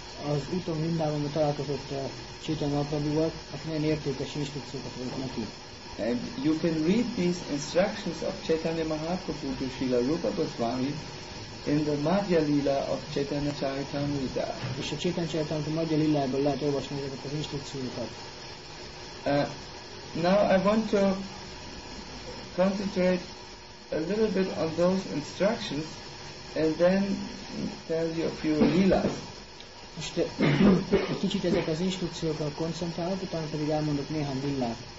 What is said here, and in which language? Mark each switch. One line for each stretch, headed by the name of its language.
Hungarian: Az úton Vrindavanba találkozott Chaitanya Mahaprabhuval, aki nagyon értékes instrukciókat adott neki.
English: And you can read these instructions of Chaitanya Mahaprabhu to Srila Rupa Goswami in the Madhya Lila of Chaitanya Charitamrita.
Hungarian: És a Chaitanya Charitamrita Madhya Lilájából lehet olvasni ezeket az instrukciókat.
English: Now I want to concentrate a little bit on those instructions and then tell you a few lilas.
Hungarian: Most egy kicsit ezek az instrukciókkal koncentrálok, utána pedig elmondok néhány lilát.